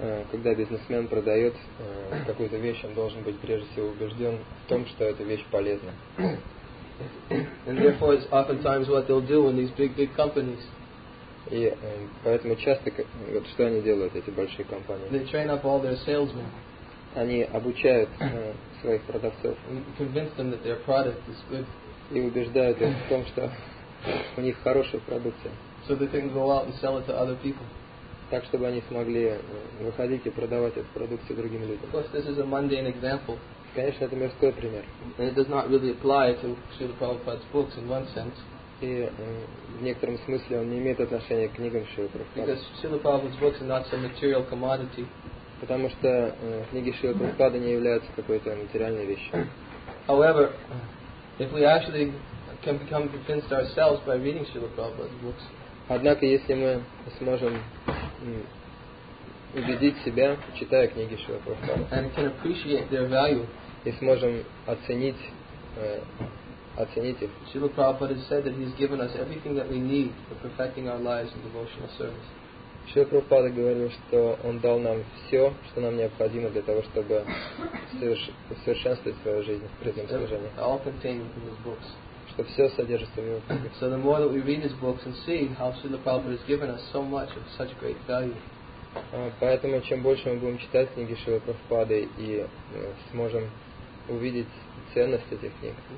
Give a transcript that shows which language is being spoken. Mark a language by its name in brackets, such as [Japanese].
[Russian] Когда бизнесмен продает какую-то вещь, он должен быть прежде всего убежден в том, что эта вещь полезна. [English] And therefore, it's oftentimes what they'll do in these big companies. [Russian] И поэтому часто, вот что они делают, эти большие компании? [English] They train up all their salesmen. [Russian] Они обучают своих продавцов. [English] And convince them that their product is good. [Russian] И убеждают их в том, что у них хорошая продукция. [English] So they can go out and sell it to other people. [Russian] Так, чтобы они смогли выходить и продавать эту продукцию другим людям. [English] Of course, this is a mundane example. [Russian] Конечно, это мирской пример. [English] And it does not really apply to Srila Prabhupada's books in one sense. [Russian] И в некотором смысле он не имеет отношения к книгам Шрилы Прабхупады. [English] Because Srila Prabhupada's books are not some material commodity. [Russian] Потому что книги Шрилы Прабхупады не являются какой-то материальной вещью. [English] However, if we actually can become convinced ourselves by reading Srila Prabhupada's books, [Russian] однако, если мы сможем убедить себя, читая книги Шрилы Прабхупады, и сможем оценить их, [English] Шрила Прабхупада said that he's given us everything that we need for perfecting our lives in devotional service. [Russian] Шрила Прабхупада говорил, что он дал нам все, что нам необходимо для того, чтобы совершенствовать свою жизнь в преданном служении. [English] All contained within his books. [Russian] Что все содержится в его книге. [English] So the more that we read his books and see how Srila Prabhupada has given us so much of such great value. [Russian] Поэтому чем больше мы будем читать книги Шрилы Прабхупады и сможем увидеть ценность этих книг.